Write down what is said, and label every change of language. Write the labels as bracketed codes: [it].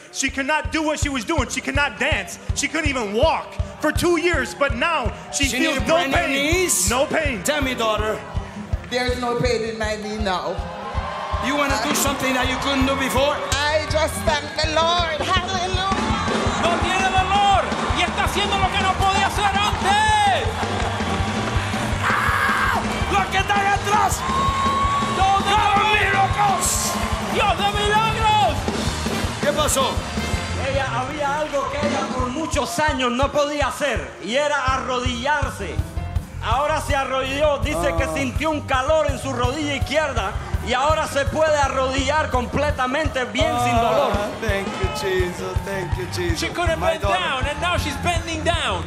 [en] She could not do what she was doing. She could not dance. She couldn't even walk for 2 years. But now she feels no pain. Knees? No pain. Tell me, daughter. There's no pain in my knee now. You want to do something that you couldn't do before? I just thank the Lord. Hallelujah. [es] No tiene dolor. Y está haciendo lo que no podía hacer antes. Lo que está atrás. [en] Don't have miracles. [es] Dios de milagros. ¿Qué pasó? Ella había algo que ella por muchos años no podía hacer y era arrodillarse. Ahora se arrodilló, dice que sintió un calor en su rodilla izquierda y ahora se puede arrodillar completamente bien sin dolor. [en] Thank you Jesus. She couldn't bend down and now she's bending down.